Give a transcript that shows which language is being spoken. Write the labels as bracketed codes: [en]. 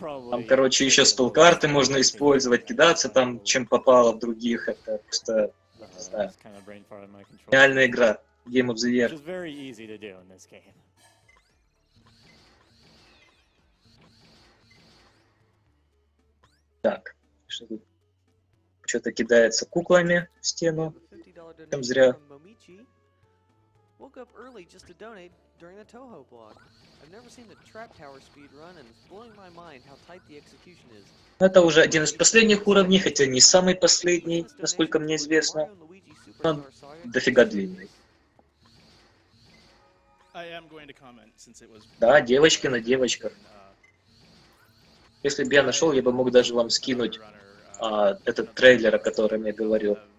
[ru] Там, короче, еще спелл-карты можно использовать, кидаться там, чем попало в других, это просто, не знаю, реальная игра, Game of the Year. Так, что-то кидается куклами в стену, чем зря. [en] Woke up early just to donate during the Toho block. I've never seen the trap tower speed run and it's blowing my mind how tight the execution is. [ru] Это уже один из последних уровней, хотя не самый последний, насколько мне известно. Он дофига длинный. [en] I am going to comment since it was. [ru] Да, девочки на девочках. Если бы я нашел, я бы мог даже вам скинуть этот трейлер, о котором я говорил.